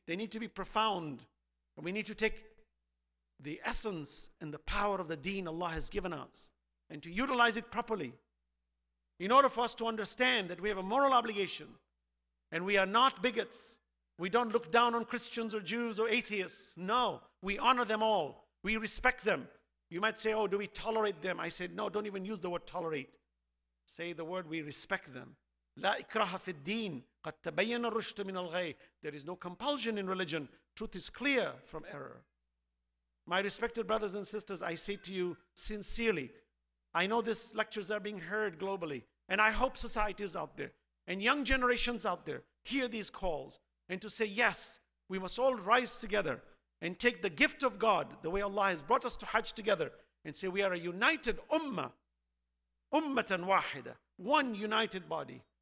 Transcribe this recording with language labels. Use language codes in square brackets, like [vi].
[en] They need to be profound. And we need to take the essence and the power of the deen Allah has given us and to utilize it properly in order for us to understand that we have a moral obligation. And we are not bigots. We don't look down on Christians or Jews or atheists. No, we honor them all. We respect them. You might say, oh, do we tolerate them? I said, no, don't even use the word tolerate. Say the word, we respect them. [ar] لا إكراه في الدين قد تبين الرشد من الغي. [en] There is no compulsion in religion. Truth is clear from error. My respected brothers and sisters, I say to you sincerely, I know these lectures are being heard globally, and I hope societies out there and young generations out there hear these calls and to say, yes, we must all rise together and take the gift of God, the way Allah has brought us to Hajj together, and say we are a united ummah, ummatan wahida, one united body.